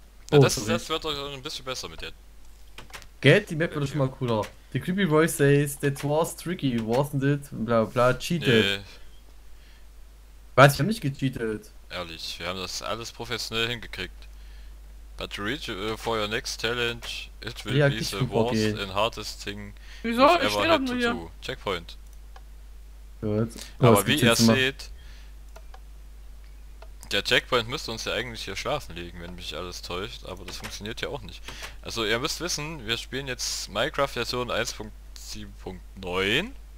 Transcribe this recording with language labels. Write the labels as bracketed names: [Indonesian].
[German] Ja, oh, das wird doch ein bisschen besser mit dir. Geld, die Map wird schon mal cooler. [English] The Creepy Boy says, that was tricky, wasn't it? [German] Bla bla bla, cheated. Nee. Was, ich hab nicht gecheatet. Ehrlich, wir haben das alles professionell hingekriegt. [English] But to reach for your next challenge, it will be the worst and hardest thing you've ever had to do. Checkpoint. Good. [German] Aber wie ihr seht, der Checkpoint müsste uns ja eigentlich hier schlafen legen, wenn mich alles täuscht, aber das funktioniert ja auch nicht. Also ihr müsst wissen, wir spielen jetzt Minecraft Version 1.7.9.